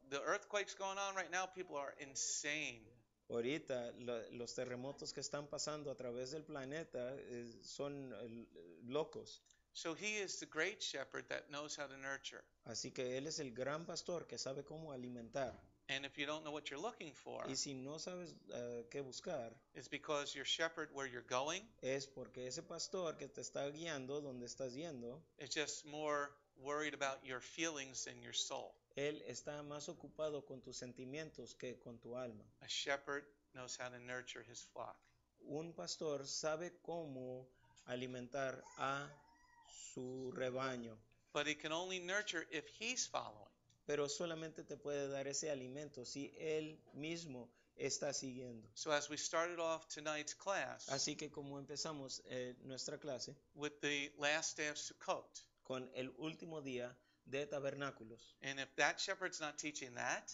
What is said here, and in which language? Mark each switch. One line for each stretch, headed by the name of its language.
English: The earthquakes going on right now, people are insane.
Spanish: Ahorita los terremotos que están pasando a través del planeta son locos.
English: So he is the great shepherd that knows how to nurture.
Spanish: Así que él es el gran pastor que sabe cómo alimentar.
English: And if you don't know what you're looking for,
Spanish: y si no sabes qué buscar,
English: it's because your shepherd where you're going,
Spanish: es porque ese pastor que te está guiando donde estás yendo,
English: is just more worried about your feelings than your soul.
Spanish: Él está más ocupado con tus sentimientos que con tu alma.
English: A shepherd knows how to nurture his flock.
Spanish: Un pastor sabe cómo alimentar a su rebaño.
English: but he can only nurture if he's following.
Spanish: Pero solamente te puede dar ese alimento si él mismo está siguiendo.
English: So as we started off tonight's class,
Spanish: así que como empezamos nuestra clase,
English: with the last day of Sukkot,
Spanish: con el último día de tabernáculos.
English: And if that shepherd's not teaching that,